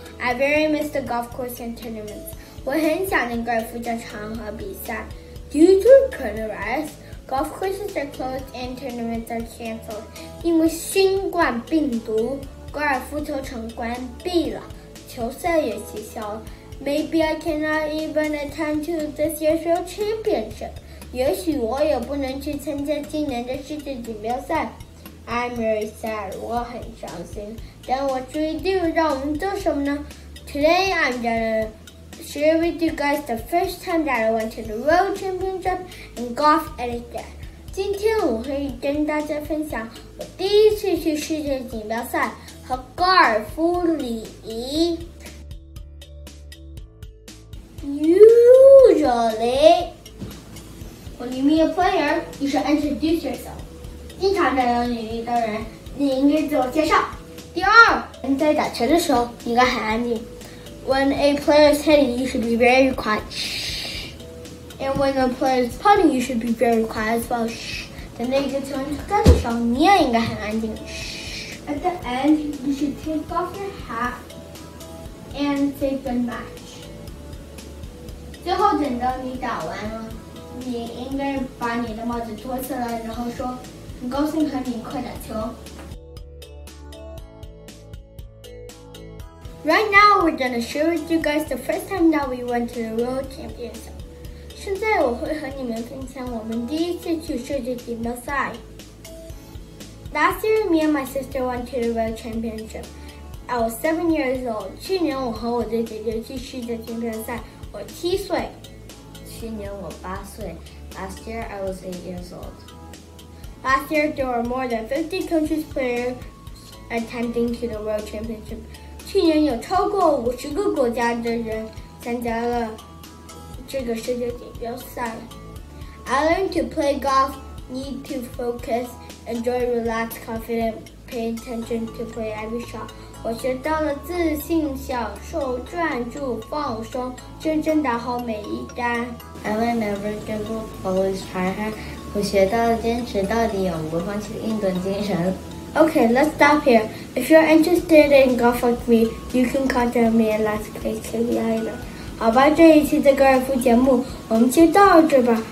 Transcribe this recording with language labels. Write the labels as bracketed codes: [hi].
[en] I very miss the golf course and tournaments. [zh] 我很想念高尔夫球场和比赛。 [en] Due to coronavirus, golf courses are closed and tournaments are canceled. [zh] 因为新冠病毒，高尔夫球场关闭了，球赛也取消了。 [en] Maybe I cannot even attend to this year's World Championship. [zh] 也许我也不能去参加今年的世界锦标赛。 [en] I'm very sad. [zh] 我很伤心。但 [en] what should we do? [zh] 让我们做什么呢 [en] ？Today I'm gonna share with you guys the first time that I went to the World Championship in golf etiquette. [zh] 今天我会跟大家分享我第一次去世界锦标赛和高尔夫礼仪。 [en] Usually, when you meet a player, you should introduce yourself. [zh] 经常这样，你遇到人，你应该自我介绍。第二，你在打球的时候，应该很安静。 [en] When a player is hitting, you should be very quiet. Shh. And when a player is putting, you should be very quiet as well. Shh. [zh] 在那个球杆的时候，你也应该很安静。 Shh. [en] At the end, you should take off your hat and say goodbye. [zh] 最后等到你打完了，你应该把你的帽子脱下来，然后说：“很高兴和你一块打球。” [en] Right now, we're gonna share with you guys the first time that we went to the World Championship. [zh] 现在我会和你们分享我们第一次去世界锦标赛。 [en] Last year, me and my sister went to the World Championship. I was 7 years old. [zh] 去年我和我的姐姐去世界锦标赛。我七岁，去年我八岁。 [en] Last year I was 8 years old. Last year there were more than 50 countries players attending to the World Championship. [zh] 去年有超过50个国家的人参加了这个世界锦标赛。 [en] I learned to play golf, need to focus, enjoy, relax, confident, pay attention to play every shot. [zh] 我学到了自信、享受、专注、放松，认真打好每一杆。 [en] I will never give up, always try hard. [zh] 我学到了坚持到底、永不放弃的运动精神。 [en] Okay, let's stop here. If you're interested in golf like me, you can contact me and let's play together. [zh] 好吧，这一期的高尔夫节目我们就到这吧。